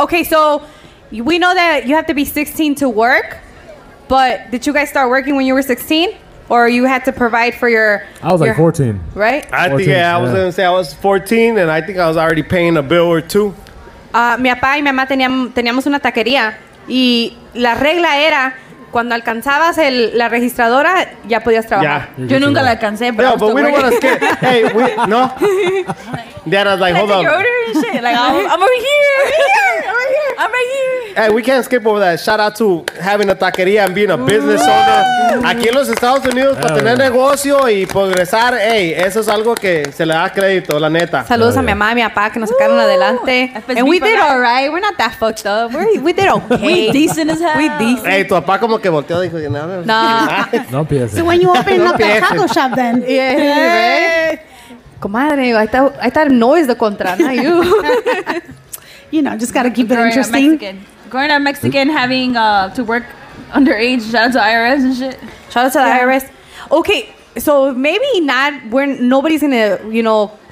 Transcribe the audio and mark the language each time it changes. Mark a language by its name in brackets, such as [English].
[English] Okay, so we know that you have to be 16 to work, but did you guys start working when you were 16? Or you had to provide for your... I was like 14. Right? I was going to say I was 14, and I think I was already paying a bill or two. [Spanish] Mi papá y mi mamá teníamos una taquería, y la regla era, cuando alcanzabas la registradora, ya podías trabajar. [English] Yeah. [Spanish] Yo nunca la alcancé, pero... [English] Yeah, but we don't want to scare... Hey, we... No. Diana's like, hold up. Like, I'm over here. Hey, we can't skip over that. Shout out to having a taquería and being a business owner. [Spanish] Aquí en los Estados Unidos, para tener negocio y progresar, hey, eso es algo que se le da crédito, la neta. Saludos a mi mamá y mi papá que nos sacaron adelante. [English] And we did all right. We're not that fucked up. We did okay. We decent as hell. We decent. [Spanish] Hey, tu papá como que volteó y dijo, no. No pienses. [English] So when you open up the taco shop then. Yeah. Comadre, I thought no is the contra, not you. You know, just gotta keep it interesting. Growing up Mexican, having to work underage, shout out to IRS and shit. Shout out to the IRS. Okay, so maybe not, nobody's gonna, you know,